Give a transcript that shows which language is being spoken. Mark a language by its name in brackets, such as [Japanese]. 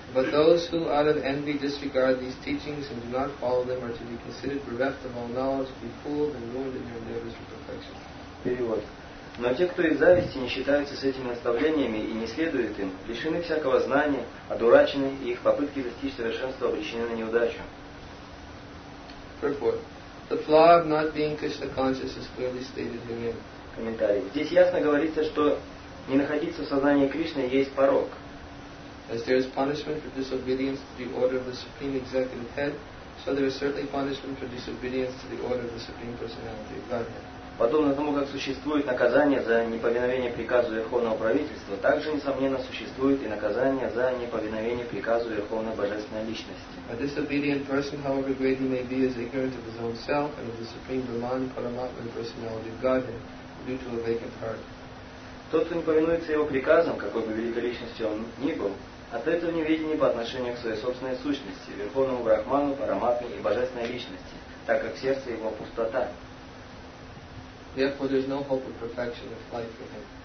[English] But those who out of envy disregard these teachings and do not follow them are to be considered bereft of all knowledge, be fooled and ruined in their endeavors for perfection. [Russian] Перевод. Но те, кто из зависти не считаются с этими наставлениями и не следуют им, лишены всякого знания, одурачены, и их попытки достичь совершенства обречены на неудачу. [English] The flaw of not being Krishna conscious is clearly stated in [Russian] Комментарий. Здесь ясно говорится, что не находиться в сознании Кришны есть порог. [English] As there is punishment for disobedience to the order of the Supreme Executive Head, so there is certainly punishment for disobedience to the order of the Supreme Personality of Godhead. [Russian] Подобно тому, как существует наказание за неповиновение приказу Верховного Правительства, также, несомненно, существует и наказание за неповиновение приказу Верховной Божественной Личности. [English] A disobedient person, however great he may be, is ignorant of his own self and of the Supreme Brahman, Paramatma, and Personality of Godhead, due to a vacant heart. [Russian] Тот, кто не повинуется его приказам, какой бы великой личностью он ни был, от этого неведения по отношению к своей собственной сущности, Верховному Брахману, Параматме и Божественной Личности, так как сердце его пустота. [English] Therefore, there's no hope of perfection of life for him.